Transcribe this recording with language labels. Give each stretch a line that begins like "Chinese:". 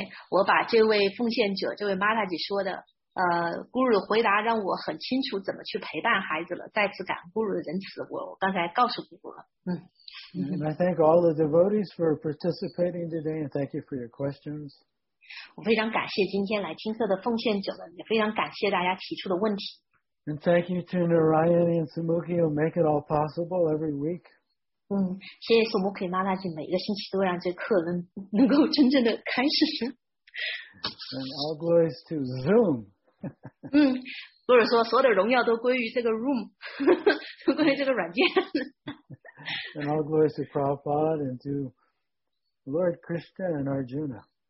Chinese: 我把这位奉献者这位 Mataji 说的Guru 回答让我很清楚怎么去陪伴孩子了，再次感 Guru 的仁慈，我刚才告诉 Guru 了。
English: And I thank all the devotees for participating today and thank you for your questions.
Chinese: 我非常感谢今天来听课的奉献者们，也非常感谢大家提出的问题。
English: And thank you to Narayan and Sumukhi who make it all possible every week.
Chinese: 谢谢苏穆奎妈妈，就每个星期都让这课能够真正的开始。
English: And all glories to Zoom.
Chinese: 或者说所有的荣耀都归于这个 Room, 归于这个软件。
English: And all glories to Prabhupada and to Lord Krishna and Arjuna.